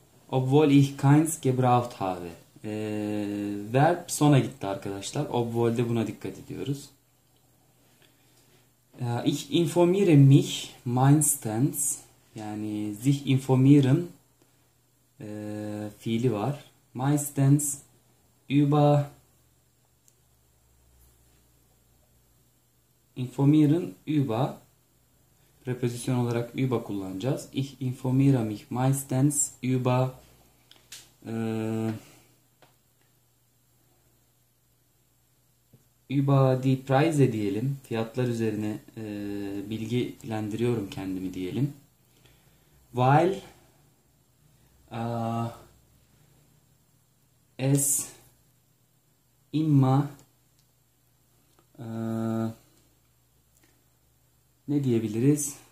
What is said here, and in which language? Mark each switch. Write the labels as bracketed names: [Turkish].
[German] Obwohl ich keins gebraucht habe. [Turkish] Verb sona gitti arkadaşlar. Obwohl'de buna dikkat ediyoruz. [German] Ich informiere mich meistens. [Turkish] Yani sich informieren fiili var. Meistens über informieren über preposition olarak über kullanacağız. [German] Ich informiere mich meistens über über die Preise [Turkish] diyelim. Fiyatlar üzerine bilgilendiriyorum kendimi diyelim. [German] Weil es immer [Turkish] ne diyebiliriz?